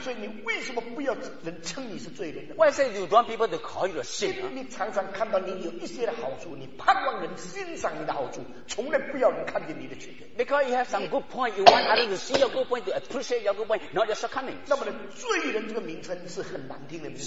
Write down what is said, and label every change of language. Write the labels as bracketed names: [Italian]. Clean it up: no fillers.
[English] Why say you want people to call you a sinner? [Chinese] 你常常看到你有一些的好处，你盼望人欣赏你的好处，从来不要人看见你的缺点。 [English] Because you have some good point, you want others to see your good point, to appreciate your good point, not your shortcomings. [Chinese] 那么呢，罪人这个名称是很难听的名字。